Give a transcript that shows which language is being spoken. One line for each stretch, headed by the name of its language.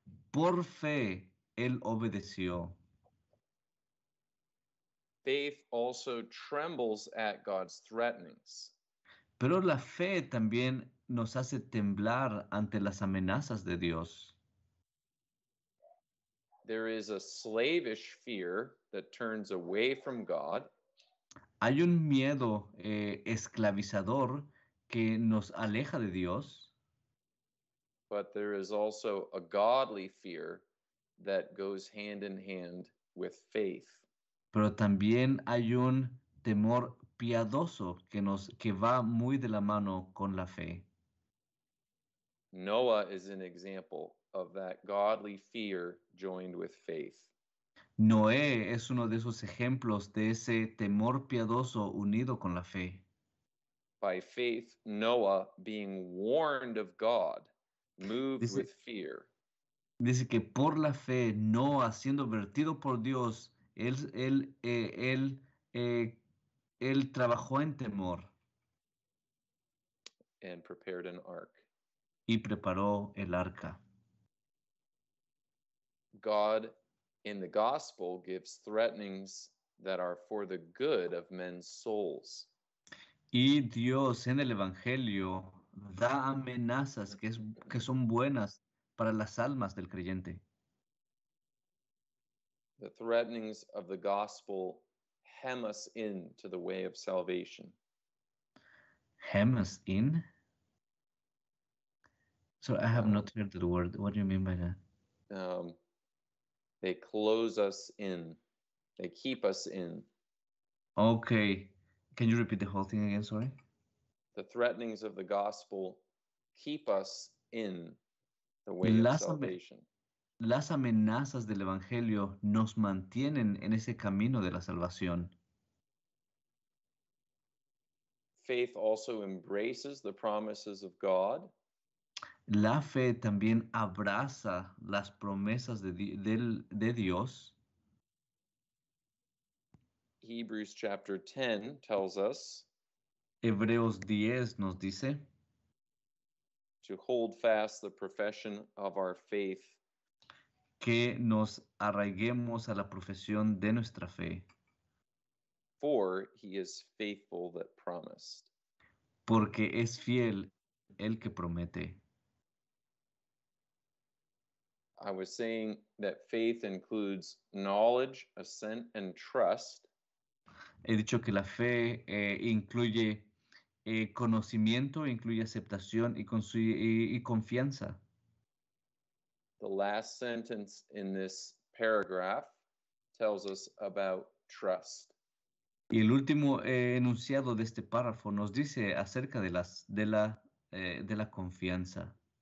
Spanish: Por fe él obedeció.
English: Faith also trembles at God's threatenings.
Spanish: Pero la fe también nos hace temblar ante las amenazas de Dios.
English: There is a slavish fear that turns away from God.
Spanish: Hay un miedo esclavizador que nos aleja de Dios.
English: But there is also a godly fear that goes hand in hand with faith.
Spanish: Pero también hay un temor piadoso que va muy de la mano con la fe.
English: Noah is an example of that godly fear joined with faith.
Spanish: Noé es uno de esos ejemplos de ese temor piadoso unido con la fe.
English: By faith, Noah, being warned of God, moved with fear.
Spanish: Dice que por la fe, Noah, siendo advertido por Dios, él trabajó en temor.
English: And prepared an ark.
Spanish: Y preparó el arca.
English: God in the gospel gives threatenings that are for the good of men's souls.
Spanish: Y Dios en el evangelio da amenazas que son buenas para las almas del creyente.
English: The threatenings of the gospel hem us in to the way of salvation. Hem us in? So I have not heard the word. What do you mean by that? They close us in. They keep us in. Okay. Can you repeat the whole thing again? Sorry. The threatenings of the gospel keep us in the way of salvation.
Spanish: Las amenazas del evangelio nos mantienen en ese camino de la salvación.
English: Faith also embraces the promises of God.
Spanish: La fe también abraza las promesas de Dios.
English: Hebrews chapter 10 tells us.
Spanish: Hebreos 10 nos dice.
English: To hold fast the profession of our faith.
Spanish: Que nos arraiguemos a la profesión de nuestra fe.
English: For he is faithful that promised.
Spanish: Porque es fiel el que promete.
English: I was saying that faith includes knowledge, assent, and trust.
Spanish: He dicho que la fe incluye conocimiento, incluye aceptación y confianza.
English: The last sentence in this paragraph tells us about trust.
Spanish: Y el último enunciado de este párrafo nos dice acerca de la confianza.